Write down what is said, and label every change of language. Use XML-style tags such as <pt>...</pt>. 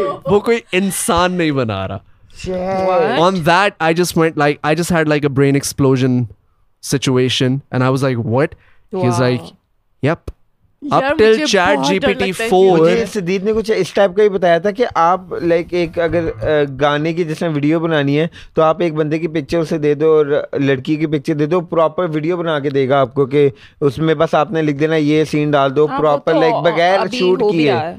<hi>वो कोई इंसान नहीं बना रहा.</hi> <en>On that, I just went like, I just had like a brain explosion situation and I was like, what? He's like, yep. Up till chat GPT 4.</en> <hi>Sadeep ने कुछ इस टाइप का ही बताया था कि आप लाइक एक अगर गाने की जिसमें वीडियो बनानी है तो आप एक बंदे की पिक्चर उसे दे दो और लड़की की पिक्चर दे दो, प्रॉपर वीडियो बना के देगा आपको कि उसमें बस आपने लिख देना ये सीन डाल दो प्रॉपर लाइक बगैर शूट किए.</hi>